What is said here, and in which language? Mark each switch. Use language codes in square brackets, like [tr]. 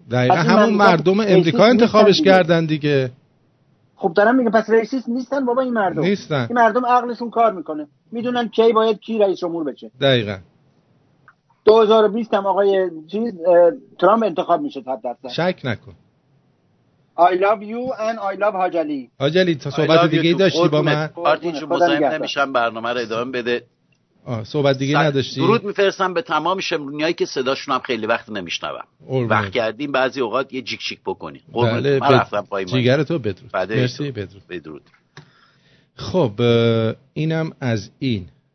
[fa] دقیقا همون مردم امریکا انتخابش کردن دیگه. خب دارم میگم پس ریسیست نیستن بابا این مردم، نیستن. این مردم عقلشون کار میکنه، میدونن کی باید کی رئیس جمهور بشه. دقیقا 2020 هم آقای چیز ترامپ انتخاب میشه، حد درصد شک نکن. [en] I love you and I love حاجلی. [fa] حاجلی تا صحبت دیگه داشتی با من؟ آرتین جو مزاهم نمیشم، برنامه رو ادامه بده. صحبت دیگه نداشتی؟ درود میفرستم به تمام شمرونیایی که صداشون هم خیلی وقت نمیشنوم. وقت کردیم بعضی اوقات یه جیک جیک بکنی. بله، من رفتم پای جیگر تو. بدرود، مرسی، بدرود. خب اینم از این.